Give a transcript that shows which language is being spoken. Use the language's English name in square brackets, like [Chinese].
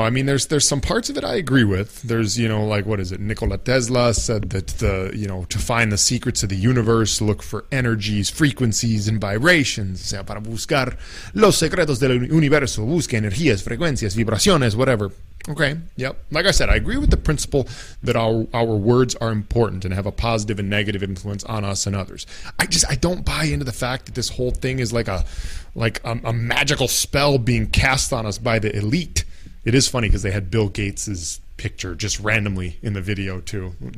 [English] I mean, there's some parts of it I agree with. There's, you know, like, what is it? Nikola Tesla said that the, you know, to find the secrets of the universe, look for energies, frequencies, and vibrations. [Spanish] O sea, para buscar los secretos del universo, busque energías, frecuencias, vibraciones, [English] whatever. Okay. Yep. Like I said, I agree with the principle that our words are important and have a positive and negative influence on us and others. I don't buy into the fact that this whole thing is like a magical spell being cast on us by the elite. It is funny because they had Bill Gates's picture just randomly in the video too.